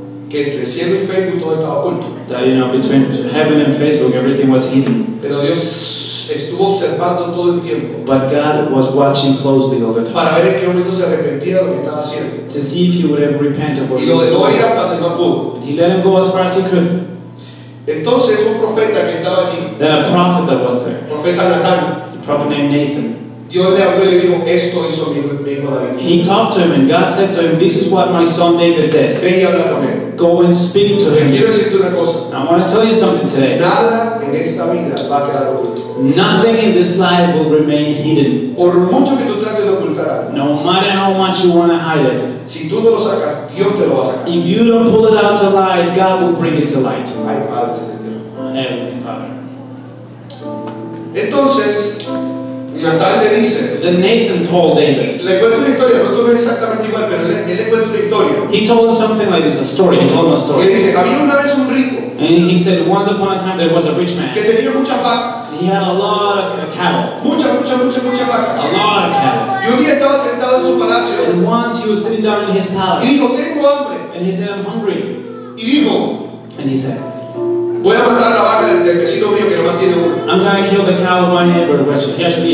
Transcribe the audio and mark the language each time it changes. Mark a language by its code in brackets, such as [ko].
[es] que entre cielo y Facebook todo estaba oculto. [en] That, you know, between heaven and Facebook, everything was hidden. [es] Pero Dios estuvo observando todo el tiempo. [en] But God was watching closely all the time. [es] Para ver en qué momento se arrepentía de lo que estaba haciendo. [en] To see if he would ever repent of what he was doing. [es] Y lo dejó ir hasta donde no pudo. [en] And he let him go as far as he could. [es] Entonces un profeta que estaba allí. [en] Then a prophet that was there. [es] Profeta Natán. [en] The prophet named Nathan. [es] Dios le habló y le dijo, esto hizo mi hijo David. [en] He talked to him and God said to him, this is what my son David did. [es] Ve y habla con él. [en] Go and speak to him. [es] Quiero decirte una cosa. [en] I want to tell you something today. [es] Nada en esta vida va a quedar oculto. [en] Nothing in this life will remain hidden. [es] Por mucho que tú trates de ocultar algo. [en] No matter how much you want to hide it. [es] Si tú no lo sacas, Dios te lo va a sacar. [en] If you don't pull it out to light, God will bring it to light. [es] Ay, Padre, [en] Heavenly Father. [es] Entonces, Natán le dice. [en] Then Nathan told David. [es] Le cuento una historia, no es exactamente igual, pero él le cuento una historia. [en] He told him something like this, a story. He told him a story. [es] Y dice, había una vez un rico. [en] And he said, once upon a time there was a rich man. [es] Que tenía muchas vacas. [en] He had a lot of cattle. [es] Mucha vacas. [en] A lot of cattle. [es] Y un día estaba sentado en su palacio. [en] And once he was sitting down in his palace. [es] Y dijo, tengo hambre. [en] And he said, I'm hungry. [es] Y dijo. [en] And he said, [es] voy a matar la vaca del vecino mío que nomás tiene uno. [en] I'm gonna kill the cow of my neighbor, which he actually